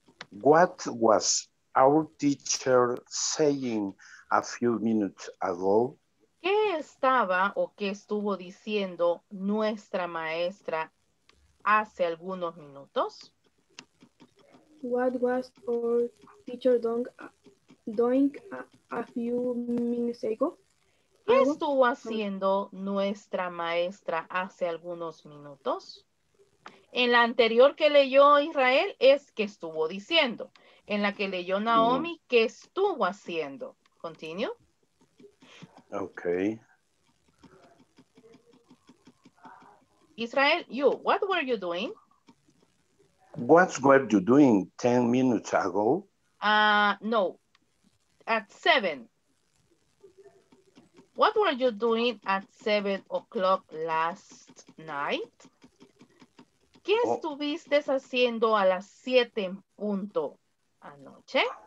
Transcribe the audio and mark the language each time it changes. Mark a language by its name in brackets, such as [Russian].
[English] What was our teacher saying a few minutes ago? [Spanish] ¿Qué estaba o qué estuvo diciendo nuestra maestra hace algunos minutos? [English] What was our teacher doing a few minutes ago? [Spanish] ¿Qué estuvo haciendo nuestra maestra hace algunos minutos? En la anterior que leyó Israel es que estuvo diciendo. En la que leyó Naomi, ¿qué estuvo haciendo? [English] Continue. Okay. Israel, you, what were you doing? What were you doing 10 minutes ago? No. At 7. What were you doing at 7 o'clock last night? [Spanish] ¿Qué estuviste haciendo a las 7 en punto anoche?